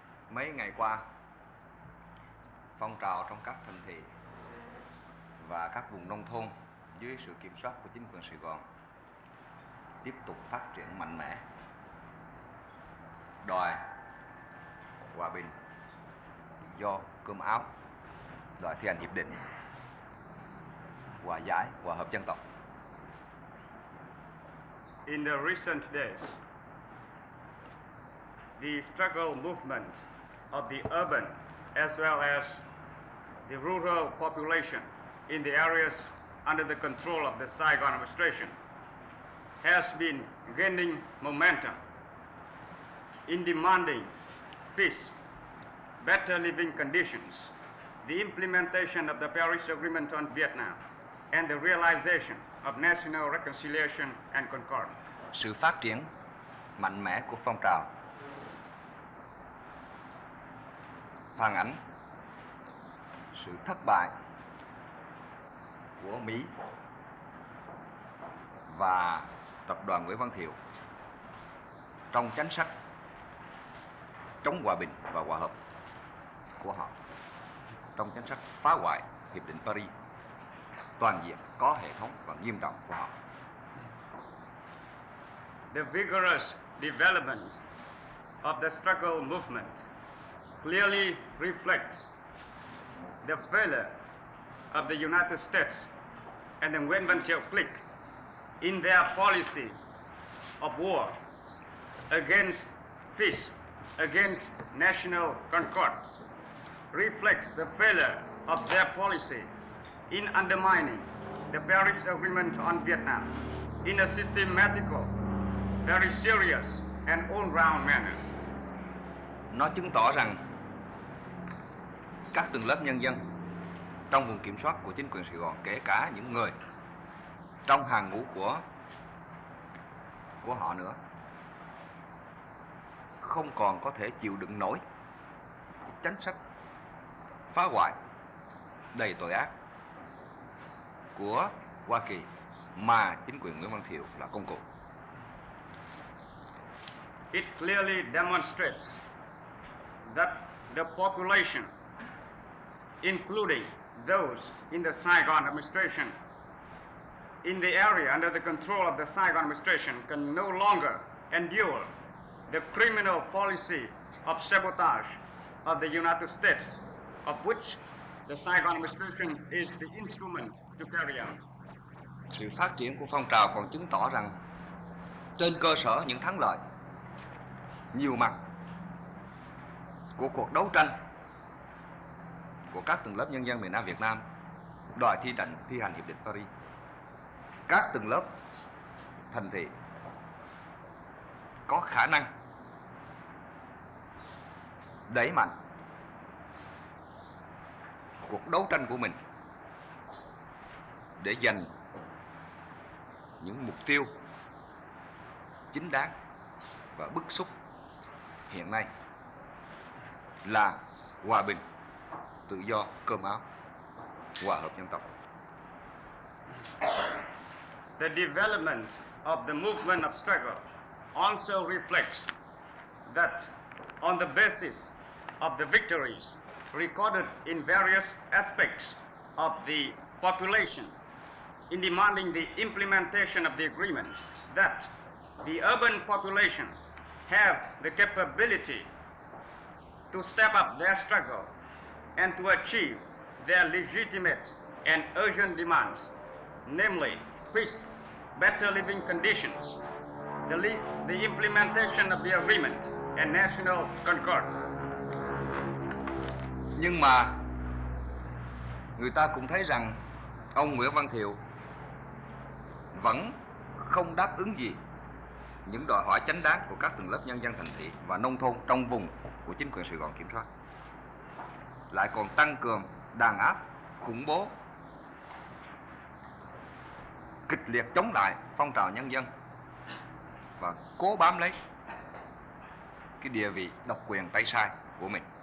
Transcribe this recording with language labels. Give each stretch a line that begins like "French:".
Vietnamese: mấy ngày qua, phong trào trong các thành thị và các vùng nông thôn dưới sự kiểm soát của chính quyền Sài Gòn tiếp tục phát triển mạnh mẽ, đòi hòa bình, tự do, cơm áo, đòi thi hành hiệp định, hòa giải, hòa hợp dân tộc.
English: In the recent days, the struggle movement of the urban as well as the rural population in the areas under the control of the Saigon administration has been gaining momentum in demanding peace, better living conditions, the implementation of the Paris Agreement on Vietnam, and the realization of national reconciliation and concord.
Vietnamese: Sự phát triển mạnh mẽ của phong trào phản ánh sự thất bại của Mỹ và tập đoàn Nguyễn Văn Thiệu trong chính sách chống hòa bình và hòa hợp của họ, trong chính sách phá hoại Hiệp định Paris toàn diện, có hệ thống và nghiêm trọng của họ.
English: The vigorous development of the struggle movement clearly reflects the failure of the United States and the Nguyễn Văn Thiệu clique in their policy of war against peace, against national concord, reflects the failure of their policy in undermining the Paris Agreement on Vietnam in a systematic, very serious and all-round manner.
Vietnamese: Nó chứng tỏ rằng các tầng lớp nhân dân trong vùng kiểm soát của chính quyền Sài Gòn, kể cả những người trong hàng ngũ của họ nữa, không còn có thể chịu đựng nổi chính sách phá hoại đầy tội ác của Hoa Kỳ mà chính quyền Nguyễn Văn Thiệu là công cụ.
English: It clearly demonstrates that the population, including those in the Saigon administration, in the area under the control of the Saigon administration, can no longer endure the criminal policy of sabotage of the United States, of which the Saigon administration is the instrument to carry out.
Vietnamese: Sự phát triển của phong trào còn chứng tỏ rằng trên cơ sở những thắng lợi nhiều mặt của cuộc đấu tranh của các tầng lớp nhân dân miền Nam Việt Nam đòi thi hành Hiệp định Paris, các tầng lớp thành thị có khả năng đẩy mạnh cuộc đấu tranh của mình để giành những mục tiêu chính đáng và bức xúc hiện nay là hòa bình, tự do, cơm áo, hòa hợp dân tộc.
English: The development of the movement of struggle also reflects that on the basis of the victories recorded in various aspects of the population in demanding the implementation of the agreement, that the urban population have the capability to step up their struggle and to achieve their legitimate and urgent demands, namely peace, better living conditions, the implementation of the agreement and national concord.
Vietnamese: Nhưng mà người ta cũng thấy rằng ông Nguyễn Văn Thiệu vẫn không đáp ứng gì những đòi hỏi chính đáng của các tầng lớp nhân dân thành thị và nông thôn trong vùng của chính quyền Sài Gòn kiểm soát, lại còn tăng cường đàn áp khủng bố, kịch liệt chống lại phong trào nhân dân và cố bám lấy cái địa vị độc quyền tay sai của mình.